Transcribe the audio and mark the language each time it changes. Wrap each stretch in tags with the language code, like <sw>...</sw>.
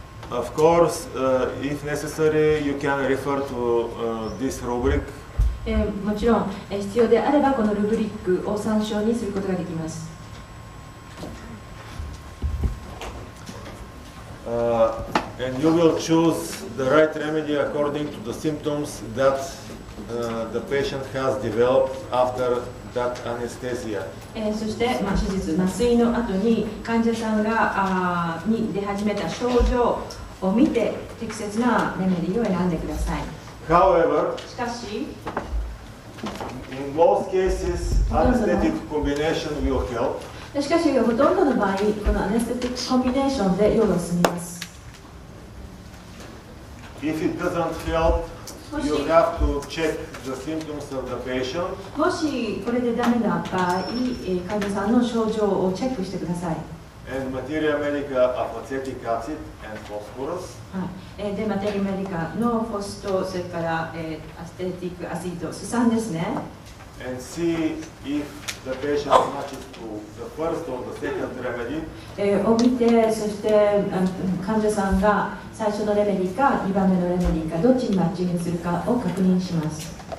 <en>Of course, if necessary, you can refer to this rubric.</en> <ja>もちろん、必要であればこのルブリックを参照にすることができます。</ja> <en>And you will choose the right remedy according to the symptoms that. The patient has developed after that anesthesia.</en> <ja>そして、まあ、手術麻酔の後に患者さんが、に出始めた症状を見て適切なレメディを選んでください。</ja> <en>However,</en> <ja>しかし、</ja> <en>in most cases, anesthetic combination will help.</en> <ja>しかし、ほとんどの場合、このアネステティックコンビネーションで用が済みます。</ja> <en>If it doesn't help,You have to check the symptoms of the patient.</en> <ja>もしこれでダメな場合、患者さんの症状をチェックしてください。</ja> <en>And materia medica of acetic acid and phosphorus.</en> <ja>はい。で、マテリアメディカのフォスとそれからアステティックアシド、スサンですね。</ja> <en>And see if the patient matches to the first or the second remedy.</en> <ja>を見て、そして患者さんが最初のレメディか2番目のレメディかどっちにマッチングするかを確認します。</ja>